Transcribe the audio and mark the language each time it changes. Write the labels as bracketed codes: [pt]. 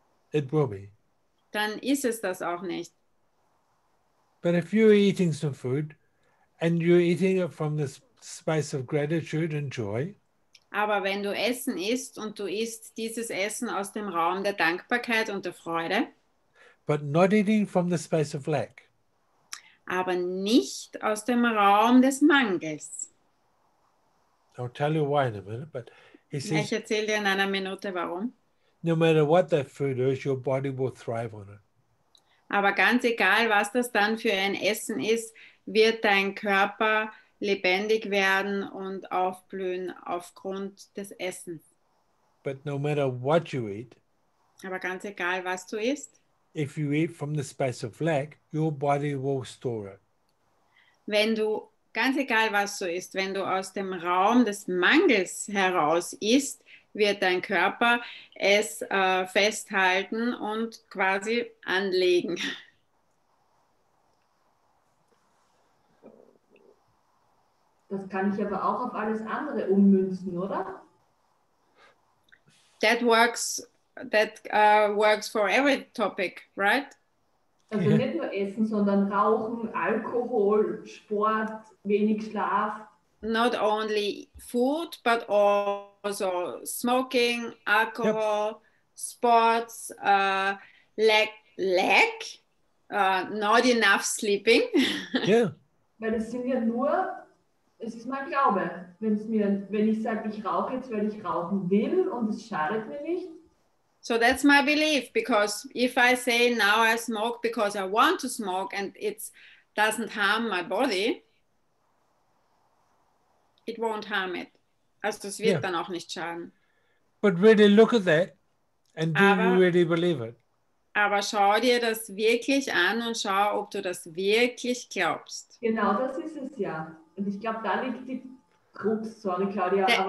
[en] It will be. [de] Dann ist es das auch nicht. [en] But if you're eating some food and you're eating it from this space of gratitude and joy. [de] Aber wenn du Essen isst und du isst dieses Essen aus dem Raum der Dankbarkeit und der Freude. [en] But not eating from the space of lack. [de] Aber nicht aus dem Raum des Mangels. [en] I'll tell you why in a minute, but he says, [de] ich erzähle dir in einer Minute warum. [en] No matter what that food is, your body will thrive on it. [de] Aber ganz egal, was das dann für ein Essen ist, wird dein Körper lebendig werden und aufblühen aufgrund des Essens. [en] But no matter what you eat, [de] aber ganz egal, was du isst, [en] if you eat from the space of lack, your body will store it. [de] Wenn du, ganz egal, was du isst, wenn du aus dem Raum des Mangels heraus isst, wird dein Körper es festhalten und quasi anlegen. Das kann ich aber auch auf alles andere ummünzen, oder? [en] That works for every topic, right? [de] Also nicht nur Essen, sondern Rauchen, Alkohol, Sport, wenig Schlaf. [en] Not only food, but also smoking, alcohol, yep. Sports, lack, not enough sleeping. Yeah. [de] Weil das sind ja nur, es ist mein Glaube, wenn ich sage, ich rauche jetzt, weil ich rauchen will und es schadet mir nicht, [en] So that's my belief, because if I say now I smoke because I want to smoke and it doesn't harm my body, it won't harm it. [de] Also es wird dann auch nicht schaden. [en] But really look at that and do you really believe it? [de] Aber schau dir das wirklich an und schau, ob du das wirklich glaubst. Genau, das ist es ja. Und ich glaube, da liegt die Krux, sorry Claudia.